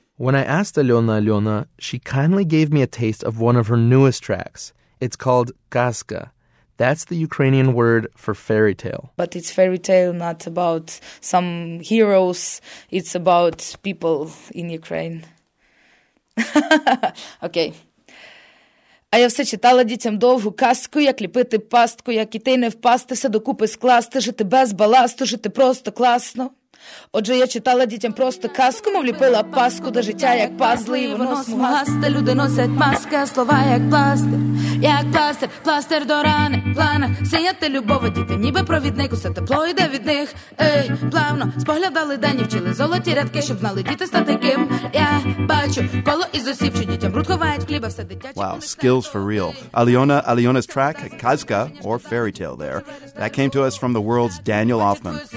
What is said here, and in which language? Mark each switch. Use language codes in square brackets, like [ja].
[en] When I asked Alyona Alyona, she kindly gave me a taste of one of her newest tracks. It's called Kaska. That's the Ukrainian word for fairy tale. But it's fairy tale, not about some heroes. It's about people in Ukraine. Okay. [uk] А я все читала дітям довгу казку, як ліпити пастку, як іти не впастися, докупи скласти, жити без баласту, жити просто класно. Отже, я читала дітям просто казку, мов ліпила паску до життя, як пазли, і воно смугасте. Люди носять маски, а слова як пластир, пластир до рани. В планах сіяти любов, діти ніби провідник, усе тепло йде від них, ей, плавно. Споглядали дані, вчили золоті рядки, щоб знали діти стати ким. Я бачу коло із осіб, що дітям брут ховають хліба, все дитяче. [en] Wow, skills for real. Alyona Alyona's track, Kazka, or Fairy Tale there, that came to us from the world's Daniel Offman.